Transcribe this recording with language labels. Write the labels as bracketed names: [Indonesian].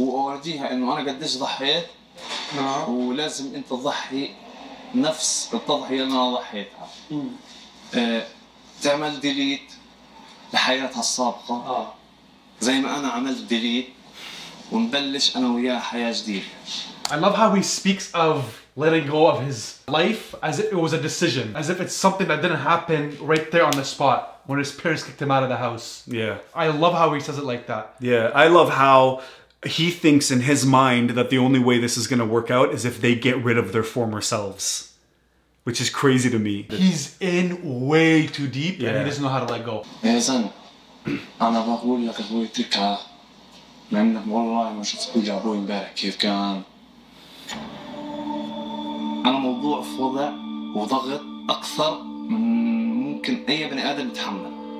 [Arabic] وارجيها انه انا قديش ضحيت ولازم انت تضحي نفس التضحيه اللي انا ضحيتها تعمل ديليت لحياتها السابقه زي ما انا عملت ديليت ونبلش انا وياها حياه جديده. [English] I love how he speaks of letting go of his life as if it was a decision, as if it's something that didn't happen right there on the spot when his parents kicked him out of the house. Yeah. I love how he says it like that. Yeah, I love how he thinks in his mind that the only way this is going to work out is if they get rid of their former selves, which is crazy to me. He's in way too deep yeah. and he doesn't know how to let go. Yazan, I'm going to tell you how to take care of you. I'm going to tell you how to [Arabic] أنا موضوع في وضع وضغط أكثر من ممكن أي بني آدم يتحمل.